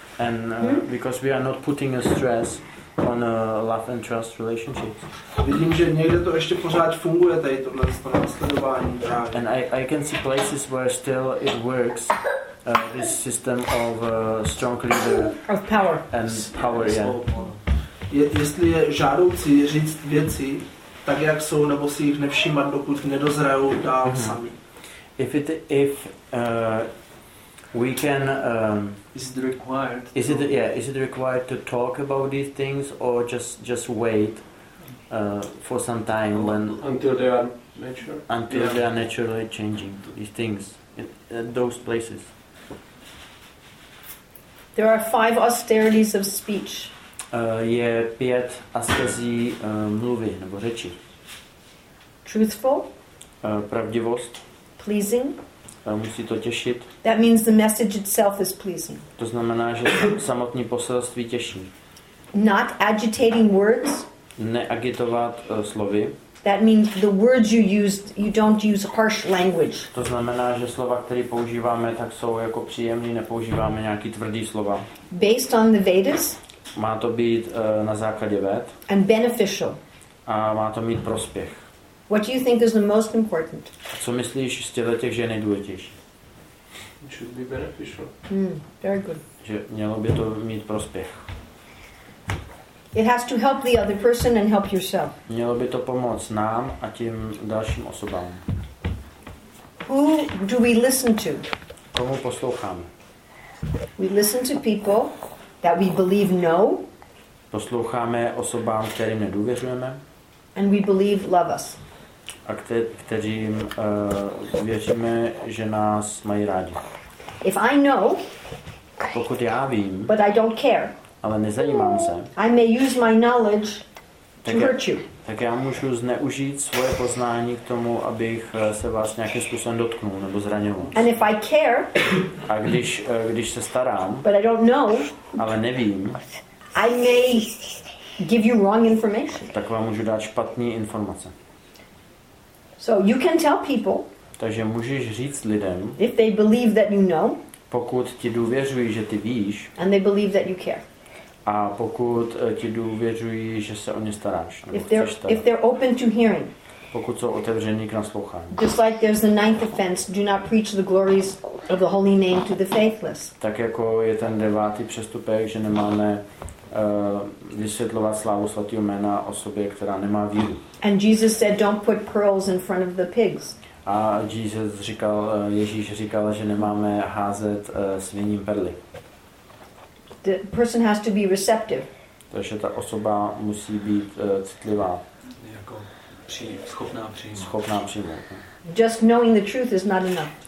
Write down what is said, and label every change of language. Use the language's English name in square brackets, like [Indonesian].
[English] And because we are not putting a stress on a love and trust relationships. [Czech] Vidím, že někde to ještě pořád funguje tady tohle následování. [English] And I can see places where still it works. This system of strong leader of power and power, yeah. [Czech] Jestli je žádoucí říct věci tak, jak jsou, nebo si jich nevšímat, dokud nedozrajou dál sami. [English] Is it required to talk about these things or just wait for some time until they are naturally changing these things in those places. There are 5 austerities of speech. [Czech] Je 5 askezí mluvy nebo řeči. [English] Truthful. [Czech] Pravdivost. [English] Pleasing. [Czech] Musí to těšit. [English] That means the message itself is pleasing. [Czech] To znamená, že samotné poselství těší. [English] Not agitating words. [Czech] Neagitovat slovy. [English] That means the words you use, you don't use harsh language. [Czech] To znamená, že slova, které používáme, tak jsou jako příjemné, nepoužíváme nějaký tvrdý slova. [English] Based on the Vedas. [Czech] Má to být na základě Ved. [English] And beneficial. [Czech] A má to mít prospěch. [English] What do you think is the most important? [Czech] Co myslíš z těchto těch, že je nejdůležitější? [English] It should be beneficial. Very good. [Czech] Že mělo by to mít prospěch. [English] It has to help the other person and help yourself. [Czech] Mělo by to pomoct nám a tím dalším osobám. [English] Who do we listen to? [Czech] Komu posloucháme? [English] We listen to people that we believe know. [Czech] Posloucháme osobám, kterým nedůvěřujeme. [English] And we believe love us. [Czech] A kterým věříme, že nás mají rádi. [English] If I know, [Czech] pokud já vím, [English] but I don't care. [Czech] Ale nezajímám se. [English] I may use my knowledge [Czech] Tak já můžu zneužít svoje poznání k tomu, abych se vás nějakým způsobem dotknul nebo zraňoval. [English] And if I care, [Czech] a když se starám, [English] but I don't know, [Czech] ale nevím, [English] I may give you wrong information. [Czech] Tak vám můžu dát špatné informace. [English] So you can tell people, [Czech] takže můžeš říct lidem, [English] if they believe that you know, [Czech] pokud ti důvěřují, že ty víš, [English] and they believe that you care. [Czech] A pokud ti důvěřují, že se o ně staráš, nebo [English] if they're open to hearing, [Czech] pokud jsou otevření k naslouchání. [English] Just like there's a ninth offense, do not preach the glories of the holy name to the faithless. [Czech] Tak jako je ten devátý přestupek, že nemáme vysvětlovat slávu svatého jména osobě, která nemá víru. [English] And Jesus said, don't put pearls in front of the pigs. [Czech] A Jesus říkal, Ježíš říkal, že nemáme házet sviním perly. [English] The person has to be receptive. [Czech] Takže ta osoba musí být citlivá. Schopná přijmout. [English] Just knowing the truth is not enough.